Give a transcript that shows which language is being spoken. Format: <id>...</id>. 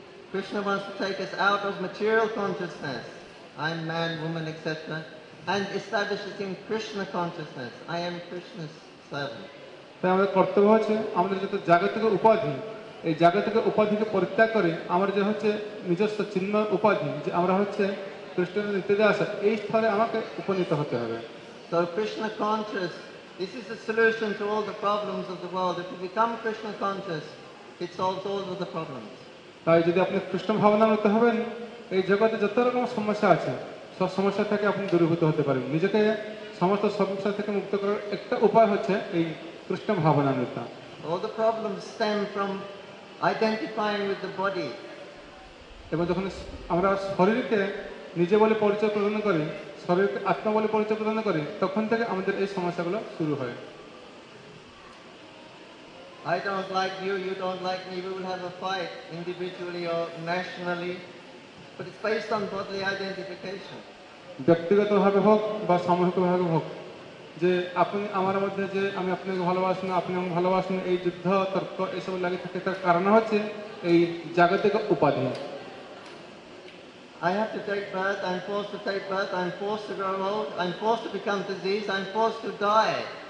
<en>Krishna wants to take us out of material consciousness, I am man, woman, etc., and establish us in Krishna consciousness, I am Krishna's servant.</en> <bn>তাই আমাদের কর্তব্য হচ্ছে আমাদের যত জাগতিক উপাধি এই জাগতিক উপাধিকে পরিত্যাগ করে আমার যে হচ্ছে নিজস্ব চিহ্ন উপাধি যে আমরা হচ্ছে কৃষ্ণের নিত্যদে আসা এই স্থলে আমাকে উপনীত হতে হবে</bn> <en>So Krishna conscious, this is the solution to all the problems of the world. If you become Krishna conscious, it solves all of the problems.</en> <bn>তাই যদি আপনি কৃষ্ণ ভাবনা নিতে হবেন এই জগতে যত রকম সমস্যা আছে সব সমস্যা থেকে আপনি দূরীভূত হতে পারেন নিজেকে সমস্ত সমস্যা থেকে মুক্ত করার একটা উপায় হচ্ছে এই কৃষ্ণ ভাবনা নিতে</bn> <en>All the problems stem from identifying with the body.</en> <bn>এবং যখন আমরা শরীরকে নিজে বলে পরিচয় প্রদান করি শরীরকে আত্মা বলে পরিচয় প্রদান করি তখন থেকে আমাদের এই সমস্যাগুলো শুরু হয়</bn> <en>I don't like you, you don't like me, we will have a fight individually or nationally. But it's based on bodily identification.</en> <bn>ব্যক্তিগতভাবে হোক বা সামূহিকভাবে হোক যে আপনি আমার মধ্যে যে আমি আপনাকে ভালোবাসি না আপনি আমাকে ভালোবাসেন এই যুদ্ধ তর্ক এসব লাগে থাকে তার কারণ হচ্ছে এই জাগতিক উপাধি</bn> <en>I have to take birth, I'm forced to take birth, I'm forced to grow old, I'm forced to become disease, I'm forced to die.</en>